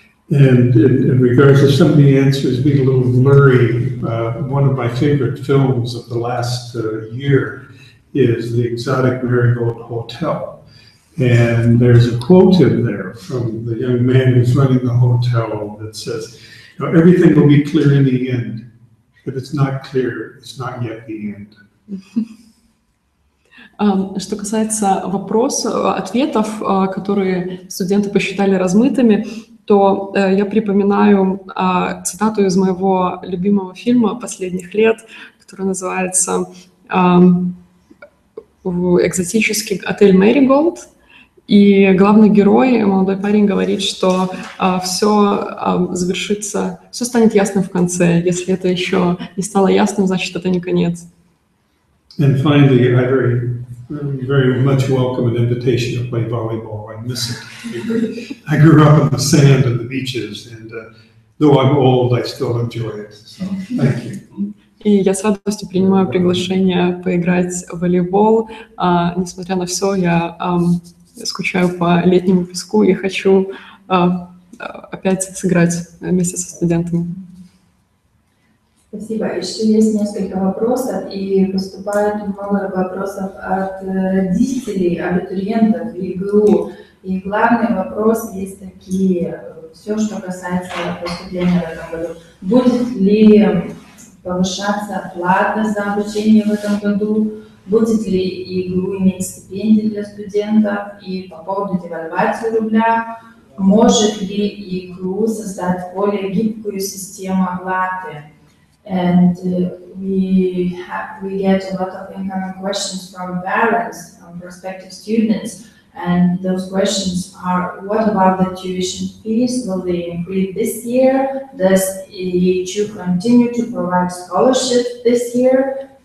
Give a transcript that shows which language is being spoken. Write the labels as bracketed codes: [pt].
[en] And regards to some of the answers being a little blurry, one of my favorite films of the last year is The Exotic Marigold Hotel. And there's a quote in there from the young man who's running the hotel that says, "Now, everything will be clear in the end. If it's not clear, it's not yet the end." [ru] Что касается вопросов, ответов, которые студенты посчитали размытыми, то я припоминаю цитату из моего любимого фильма последних лет, который называется «Экзотический отель Marigold». И главный герой, молодой парень, говорит, что все завершится, все станет ясным в конце. Если это еще не стало ясным, значит, это не конец. [en] And finally, I very, very much welcome an invitation to play volleyball. I miss it. I grew up on the sand and the beaches, and though I'm old, I still enjoy it. So, thank you. [ru] И я с радостью принимаю приглашение поиграть в волейбол. Несмотря на все, я скучаю по летнему песку и хочу опять сыграть вместе со студентами. Спасибо. Еще есть несколько вопросов, и поступает много вопросов от родителей, абитуриентов в ЕГУ. И главный вопрос есть такие, все, что касается поступления в этом году. Будет ли повышаться плата за обучение в этом году? Будет ли ИГУ иметь стипендии для студентов? И по поводу девальвации рубля, может ли ИГУ создать более гибкую систему оплаты? [en] And we get a lot of incoming questions from parents, from prospective students, and those questions are, what about the tuition fees? Will they increase this year? Does ИГУ continue to provide scholarships this year?